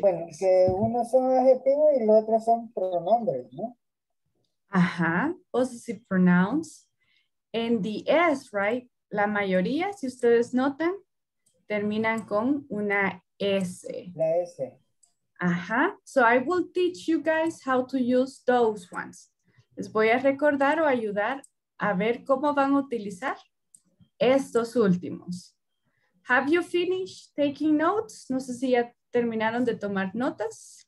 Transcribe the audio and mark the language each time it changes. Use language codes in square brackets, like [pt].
[es] Bueno, que unos son adjetivos y los otros son pronombres, ¿no? [en] Ajá. Possessive pronouns. And the S, right? [es] La mayoría, si ustedes notan, terminan con una S. La S. Ajá. [en] So I will teach you guys how to use those ones. [es] Les voy a recordar o ayudar a ver cómo van a utilizar estos últimos. [en] Have you finished taking notes? [es] No sé si ya terminaron de tomar notas.